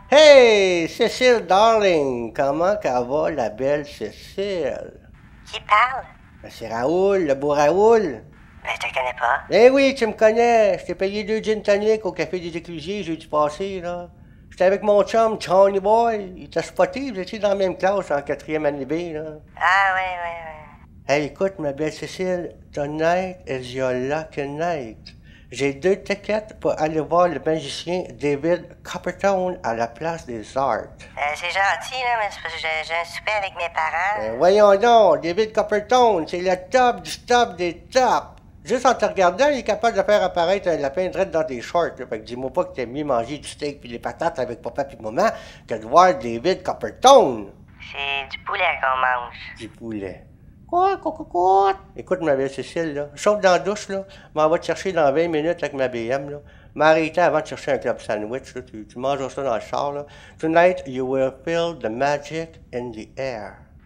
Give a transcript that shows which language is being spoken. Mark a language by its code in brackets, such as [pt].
[fr] Hey, Cécile, darling, comment qu'elle va, la belle Cécile? Qui parle? Ben, c'est Raoul, le beau Raoul. Ben, je te connais pas. Eh oui, tu me connais. Je t'ai payé 2 gin tonic au Café des Éclusiers jeudi passé, là. J'étais avec mon chum, Johnny Boy. Il t'a spoté, vous étiez dans la même classe en 4e année B, là. Ah, ouais. Hey, écoute, ma belle Cécile, [en] tonight is your lucky night. [fr] J'ai 2 tickets pour aller voir le magicien David Coppertone à la place des Arts. C'est gentil, là, mais j'ai un souper avec mes parents. Voyons donc, David Coppertone, c'est le top du top des tops. Juste en te regardant, il est capable de faire apparaître un lapin direct dans tes shorts. Là. Fait que dis-moi pas que t'aimes mieux manger du steak pis des patates avec papa pis maman que de voir David Coppertone. C'est du poulet qu'on mange. Du poulet. Quoi? Quoi? Écoute, ma belle Cécile, là. Sauf dans la douche, là. M'en va te chercher dans 20 minutes avec ma BM, là. M'arrêter avant de chercher un club sandwich, là. Tu manges ça dans le char, là. [en] Tonight, you will feel the magic in the air.